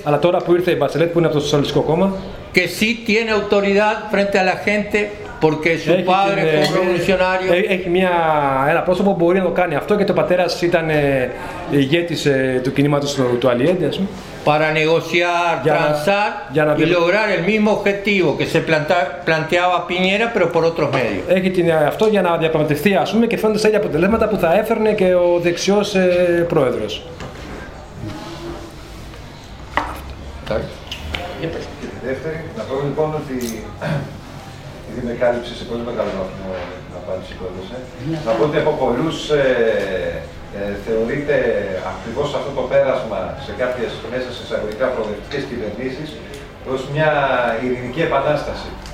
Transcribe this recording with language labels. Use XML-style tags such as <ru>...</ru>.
<el>αλλά τώρα που ήρθε η Bachelet, που είναι από το Σοσιαλιστικό Κόμμα,</el> <es>que sí tiene autoridad frente a la gente, porque su padre fue revolucionario.</es> <el>Έχει ένα πρόσωπο που μπορεί να το κάνει αυτό και το πατέρας ήταν ηγέτης του κινήματος του Αλιέντε.</el> <es>Para negociar, transar y lograr el mismo objetivo que se planteaba Piñera, pero por otros medios.</es> <el>Έχει την αυτό για να διαπραγματευτεί, ας πούμε, και φέρνει τα ίδια αποτελέσματα που θα έφερνε και ο δεξιός πρόεδρος. Δεύτερη, να πω λοιπόν ότι επειδή με κάλυψε σε πολύ μεγάλο βαθμό να πάρει σηκώδωσε, να πω ότι από πολλούς θεωρείται ακριβώς αυτό το πέρασμα σε κάποιες μέσα σε εισαγωγικά προοδευτικές κυβερνήσεις ως μια ειρηνική επανάσταση.</el>